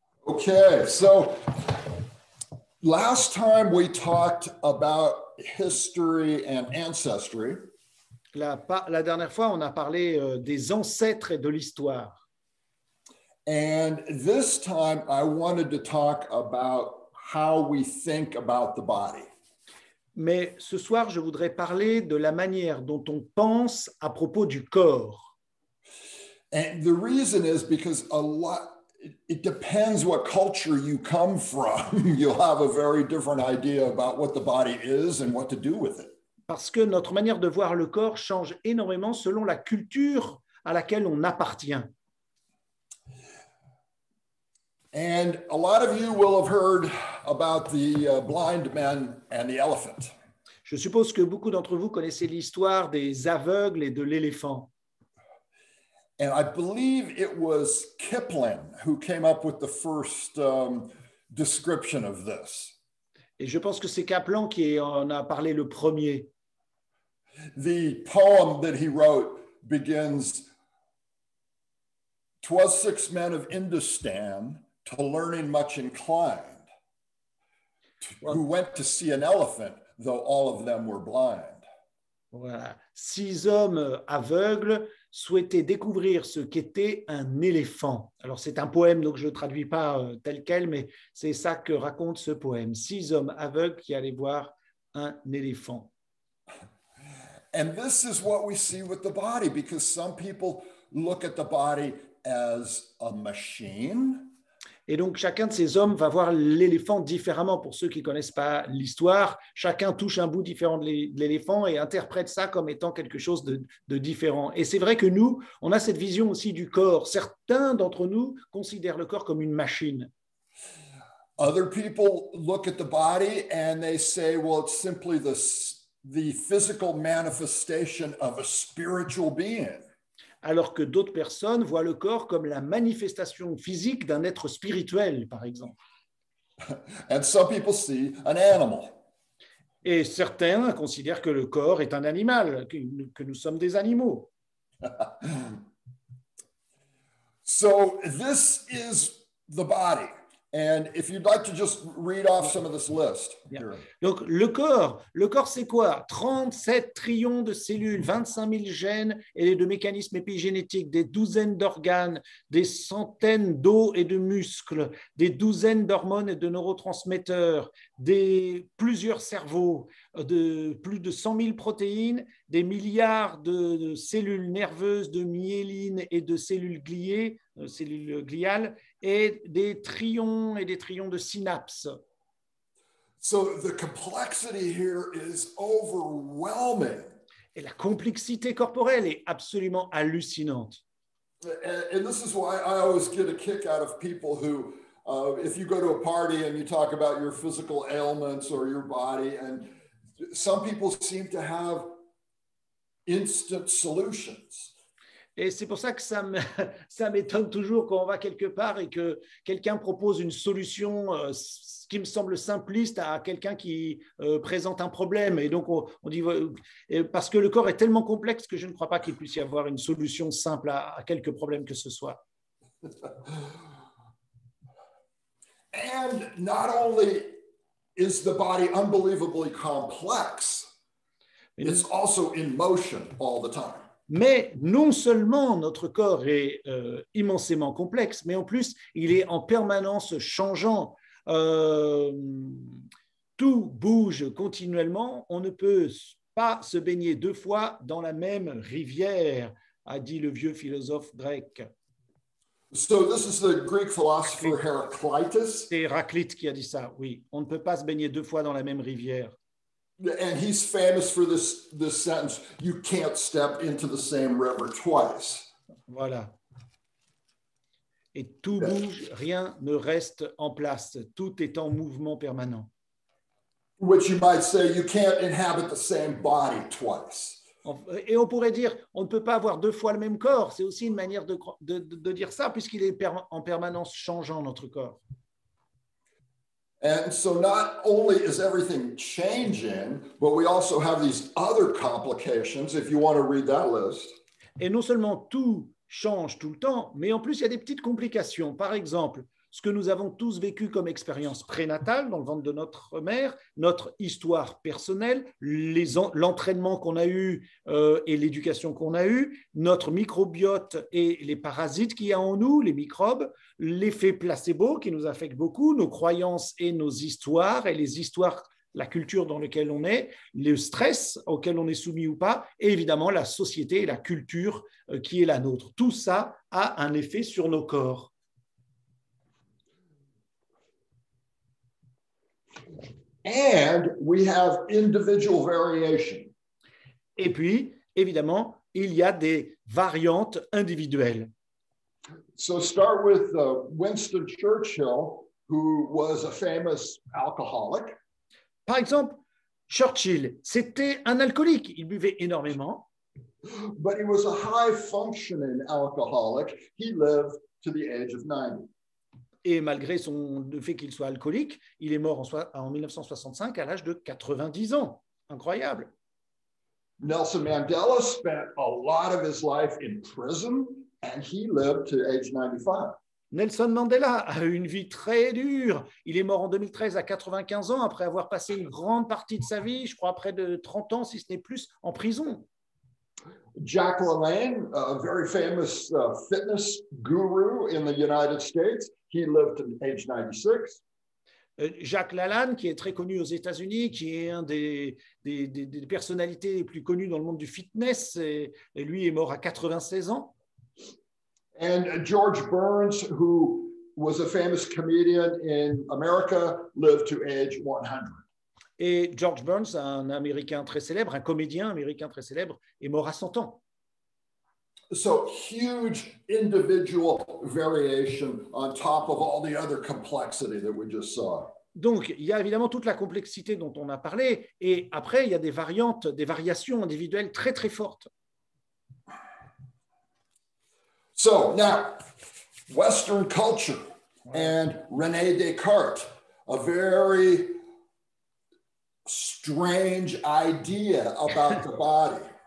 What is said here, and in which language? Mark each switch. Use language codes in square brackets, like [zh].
[en] Okay, so last time we talked about history and ancestry. [fr] La dernière fois, on a parlé des ancêtres et de l'histoire. [en] And this time, I wanted to talk about how we think about the body. [fr] Mais ce soir, je voudrais parler de la manière dont on pense à propos du corps. [en] And the reason is because a lot. It depends what culture you come from. You'll have a very different idea about what the body is and what to do with it. [fr] Parce que notre manière de voir le corps change énormément selon la culture à laquelle on appartient. [en] And a lot of you will have heard about the blind man and the elephant. [fr] Je suppose que beaucoup d'entre vous connaissez l'histoire des aveugles et de l'éléphant. [en] And I believe it was Kipling who came up with the first description of this. [fr] Et je pense que c'est Kaplan qui en a parlé le premier. [en] The poem that he wrote begins, "'Twas six men of Indostan to learning much inclined, who went to see an elephant, though all of them were blind." [fr] Voilà. Six hommes aveugles souhaitaient découvrir ce qu'était un éléphant. Alors, c'est un poème, donc je ne traduis pas tel quel, mais c'est ça que raconte ce poème. Six hommes aveugles qui allaient voir un éléphant. [en] And this is what we see with the body, because some people look at the body as a machine. [fr] Et donc, chacun de ces hommes va voir l'éléphant différemment. Pour ceux qui ne connaissent pas l'histoire, chacun touche un bout différent de l'éléphant et interprète ça comme étant quelque chose de différent. Et c'est vrai que nous, on a cette vision aussi du corps. Certains d'entre nous considèrent le corps comme une machine. [en] Other people look at the body and they say, well, it's simply the physical manifestation of a spiritual being. [fr] Alors que d'autres personnes voient le corps comme la manifestation physique d'un être spirituel, par exemple. [en] And some people see an animal. [fr] Et certains considèrent que le corps est un animal, que nous sommes des animaux. [en] So this is the body. And if you'd like to just read off some of this list. Yeah. [fr] Donc le corps c'est quoi? 37 trillions de cellules, 25 000 gènes et de mécanismes épigénétiques, des douzaines d'organes, des centaines d'os et de muscles, des douzaines d'hormones et de neurotransmetteurs, des plusieurs cerveaux, de plus de 100 000 protéines, des milliards de cellules nerveuses, de myéline et de cellules gliées, cellules gliales, et des trillions de synapses. [en] So the complexity here is overwhelming. [fr] Et la complexité corporelle est absolument hallucinante. [en] And this is why I always get a kick out of people who, if you go to a party and you talk about your physical ailments or your body, and some people seem to have instant solutions. [fr] Et c'est pour ça que ça m'étonne toujours quand on va quelque part et que quelqu'un propose une solution qui me semble simpliste à quelqu'un qui présente un problème. Et donc, on dit, parce que le corps est tellement complexe que je ne crois pas qu'il puisse y avoir une solution simple à quelque problème que ce soit. [en] And not only is the body unbelievably complex, it's also in motion all the time. [fr] Mais non seulement notre corps est immensément complexe, mais en plus, il est en permanence changeant. Tout bouge continuellement. On ne peut pas se baigner deux fois dans la même rivière, a dit le vieux philosophe grec. [en] So this is the Greek philosopher Heraclitus. [fr] C'est Héraclite qui a dit ça, oui. On ne peut pas se baigner deux fois dans la même rivière. [en] And he's famous for this sentence, "You can't step into the same river twice." [fr] Voilà. Et tout bouge, rien ne reste en place. Tout est en mouvement permanent. [en] Which you might say, you can't inhabit the same body twice. [fr] Et on pourrait dire, on ne peut pas avoir deux fois le même corps. C'est aussi une manière de dire ça, puisqu'il est en permanence changeant, notre corps. [en] And so not only is everything changing, but we also have these other complications, if you want to read that list. [fr] Et non seulement tout change tout le temps, mais en plus il y a des petites complications. Par exemple, ce que nous avons tous vécu comme expérience prénatale dans le ventre de notre mère, notre histoire personnelle, l'entraînement qu'on a eu et l'éducation qu'on a eue, notre microbiote et les parasites qu'il y a en nous, les microbes, l'effet placebo qui nous affecte beaucoup, nos croyances et nos histoires, et les histoires, la culture dans laquelle on est, le stress auquel on est soumis ou pas, et évidemment la société et la culture qui est la nôtre. Tout ça a un effet sur nos corps. [en] And we have individual variation. [fr] Et puis, évidemment, il y a des variantes individuelles. [en] So start with Winston Churchill, who was a famous alcoholic. [fr] Par exemple, Churchill, c'était un alcoolique. Il buvait énormément. [en] But he was a high-functioning alcoholic. He lived to the age of 90. [fr] Et malgré son fait qu'il soit alcoolique, il est mort en 1965 à l'âge de 90 ans. Incroyable. [en] Nelson Mandela spent a lot of his life in prison and he lived to age 95. [fr] Nelson Mandela a eu une vie très dure. Il est mort en 2013 à 95 ans après avoir passé une grande partie de sa vie, je crois près de 30 ans si ce n'est plus, en prison. [en] Jack LaLanne, a very famous fitness guru in the United States, he lived to age 96. [fr] Jack LaLanne, qui est très connu aux États-Unis, qui est un des personnalités les plus connues dans le monde du fitness, et lui est mort à 96 ans. [en] And George Burns, who was a famous comedian in America, lived to age 100. [fr] Et George Burns, un Américain très célèbre, un comédien américain très célèbre, est mort à 100 ans. [en] So huge individual variation on top of all the other complexity that we just saw. [fr] Donc, il y a évidemment toute la complexité dont on a parlé, et après, il y a des variations individuelles très très fortes. [en] So now, Western culture and René Descartes, a very strange idea about the body.